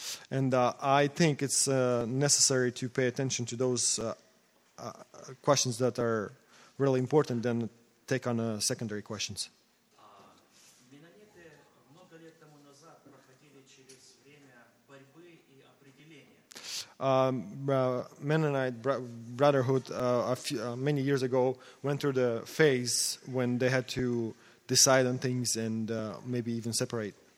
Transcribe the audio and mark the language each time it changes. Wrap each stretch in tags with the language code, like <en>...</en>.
<en>And I think it's necessary to pay attention to those questions that are really important and take on secondary questions.</en> <ru>Меннониты много лет тому назад проходили через время борьбы и определения.</ru> <en>Mennonite Brotherhood many years ago went through the phase when they had to decide on things and maybe even separate.</en>